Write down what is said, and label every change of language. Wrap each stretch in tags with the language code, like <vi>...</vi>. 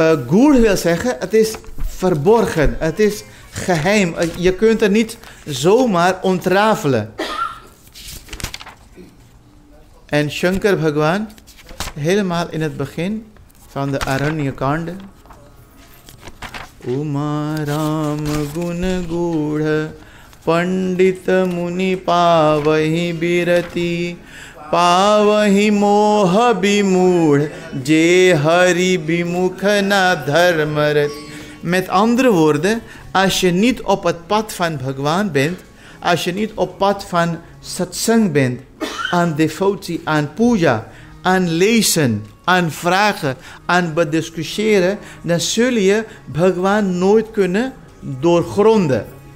<nl>Goed wil zeggen, het is verborgen. Het is geheim. Je kunt het niet zomaar ontrafelen. En Shankar Bhagwan, helemaal in het begin van de Aranyakanda.</nl> <awa>Uma Ram Gun Goed. पंडित मुनि पावहि बिरति पावहि मोह विमूढ़ जे हरि विमुख न धर्मरति.</awa> <nl>Met andere woorden, als je niet op het pad van Bhagwan bent, als je niet op pad van satsang bent, aan devotie, aan puja, aan lezen, aan vragen, aan bediscussiëren, dan zul je Bhagwan nooit kunnen doorgronden.</nl>